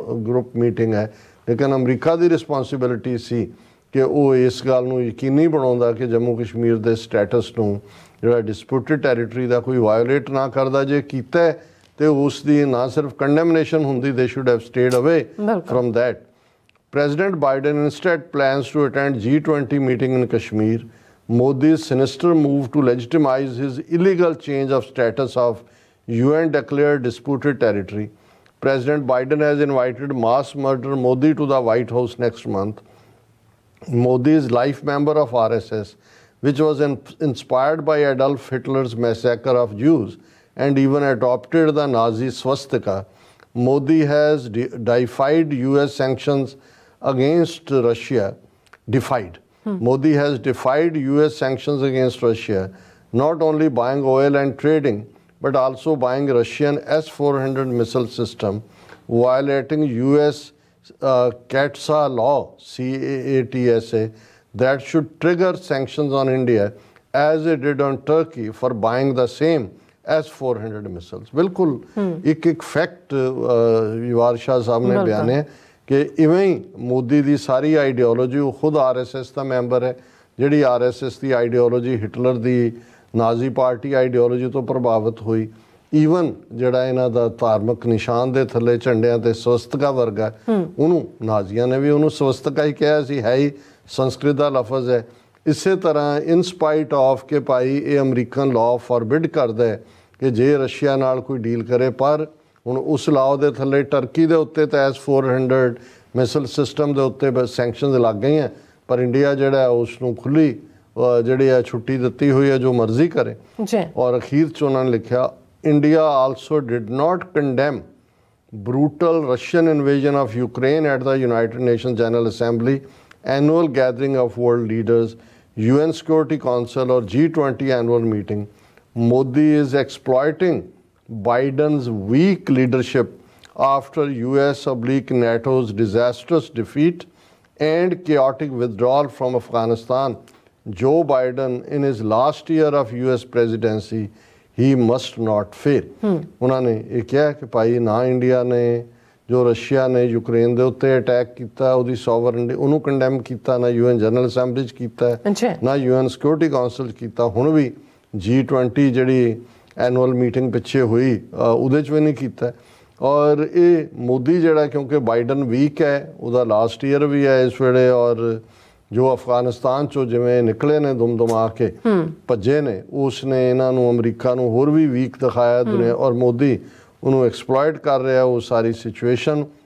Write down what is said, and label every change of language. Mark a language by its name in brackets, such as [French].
[Punjabi] Group meeting ਹੈ, ਲੇਕਿਨ America ਦੀ responsibility ਸੀ ਕਿ ਉਹ ਇਸ ਗੱਲ ਨੂੰ ਯਕੀਨੀ ਬਣਾਉਂਦਾ ਕਿ ਜੰਮੂ ਕਸ਼ਮੀਰ ਦੇ ਸਟੈਟਸ ਨੂੰ ਜਿਹੜਾ ਡਿਸਪਿਊਟਿਡ ਟੈਰੀਟਰੀ ਦਾ ਕੋਈ ਵਾਇਓਲੇਟ ਨਾ ਕਰਦਾ, ਜੇ ਕੀਤਾ ਤਾਂ ਉਸ ਦੀ ਨਾ ਸਿਰਫ ਕੰਡੈਮਨੇਸ਼ਨ ਹੁੰਦੀ, [English] They should have stayed away from that. President Biden instead plans to attend G20 meeting in Kashmir. Modi's sinister move to legitimize his illegal change of status of UN declared disputed territory. President Biden has invited mass murderer Modi to the White House next month. Modi is life member of RSS, which was inspired by Adolf Hitler's massacre of Jews and even adopted the Nazi swastika. Modi has defied US sanctions against Russia. Modi has defied US sanctions against Russia, not only buying oil and trading, but also buying Russian S-400 missile system, violating US CATSA law, C-A-T-S-A, that should trigger sanctions on India, as it did on Turkey, for buying the same S-400 missiles. [Punjabi] Bilkul, ek fact Yuvar Shah sahab ne bayan hai, ਕਿ ਇਵੇਂ ਹੀ ਮੋਦੀ ਦੀ ਸਾਰੀ ideology, ਉਹ ਖੁਦ RSS ਦਾ member ਹੈ, ਜਿਹੜੀ RSS ਦੀ ideology Hitler ਦੀ ਨਾਜ਼ੀ party ideology ਤੋਂ ਪ੍ਰਭਾਵਿਤ ਹੋਈ। Even ਜਿਹੜਾ ਇਹਨਾਂ ਦਾ ਧਾਰਮਿਕ ਨਿਸ਼ਾਨ ਦੇ ਥੱਲੇ ਝੰਡਿਆਂ 'ਤੇ ਸਵਸਤਕਾ ਵਰਗਾ, ਉਹਨੂੰ ਨਾਜ਼ੀਆਂ ਨੇ ਵੀ ਉਹਨੂੰ ਸਵਸਤਕਾ ਹੀ ਕਿਹਾ ਸੀ, ਹੈ ਹੀ ਸੰਸਕ੍ਰਿਤ ਦਾ ਲਫਜ਼ ਹੈ। ਇਸੇ ਤਰ੍ਹਾਂ ਇਨਸਪਾਈਟ ਆਫ ਕਿ ਭਾਈ ਇਹ ਅਮਰੀਕਨ ਲਾਅ ਫੋਰਬਿਡ ਕਰਦਾ ਕਿ ਜੇ ਰਸ਼ੀਆ ਨਾਲ ਕੋਈ ਡੀਲ ਕਰੇ, ਪਰ ਹੁਣ ਉਸ ਲਾਅ ਦੇ ਥੱਲੇ ਟਰਕੀ ਦੇ ਉੱਤੇ ਤਾਂ S-400 ਮਿਸਲ ਸਿਸਟਮ ਦੇ ਉੱਤੇ ਸੈਂਕਸ਼ਨ ਲੱਗ ਗਈਆਂ, ਪਰ ਇੰਡੀਆ ਜਿਹੜਾ ਉਸਨੂੰ ਖੁੱਲ੍ਹੀ ਜਿਹੜੀ ਆ ਛੁੱਟੀ ਦਿੱਤੀ ਹੋਈ ਹੈ, ਜੋ ਮਰਜ਼ੀ ਕਰੇ। ਔਰ ਅਖੀਰ 'ਚ ਉਹਨਾਂ ਨੇ ਲਿਖਿਆ, [English] India also did not condemn brutal Russian invasion of Ukraine at the United Nation General Assembly annual gathering of world leaders UN security council or G20 annual meeting. Modi is exploiting Biden's weak leadership after US oblique NATO's disastrous defeat and chaotic withdrawal from Afghanistan. Joe Biden in his last year of US presidency, he must not fail. [Punjabi] Unhone ye kaha ki bhai na India ne jo Russia ne Ukraine de utte attack kita ohi sovereignty unu condemn kita na UN General Assembly ch kita na UN Security Council ch kita hun vi G20 jehdi annual meeting ਪਿੱਛੇ ਹੋਈ ਉਹਦੇ 'ਚ ਵੀ ਨਹੀਂ ਕੀਤਾ। ਔਰ ਇਹ ਮੋਦੀ ਜਿਹੜਾ, ਕਿਉਂਕਿ ਬਾਈਡਨ ਵੀਕ ਹੈ, ਉਹਦਾ ਲਾਸਟ ਈਅਰ ਵੀ ਹੈ ਇਸ ਵੇਲੇ, ਔਰ ਜੋ ਅਫਗਾਨਿਸਤਾਨ 'ਚੋਂ ਜਿਵੇਂ ਨਿਕਲੇ ਨੇ ਦੁਮ ਦਮਾ ਕੇ ਭੱਜੇ ਨੇ, ਉਸ ਨੇ ਇਹਨਾਂ ਨੂੰ ਅਮਰੀਕਾ ਨੂੰ ਹੋਰ ਵੀ ਵੀਕ ਦਿਖਾਇਆ ਦੁਨੀਆ, ਔਰ ਮੋਦੀ ਉਹਨੂੰ ਐਕਸਪਲੋਇਟ ਕਰ ਰਿਹਾ ਉਹ ਸਾਰੀ ਸਿਚੁਏਸ਼ਨ।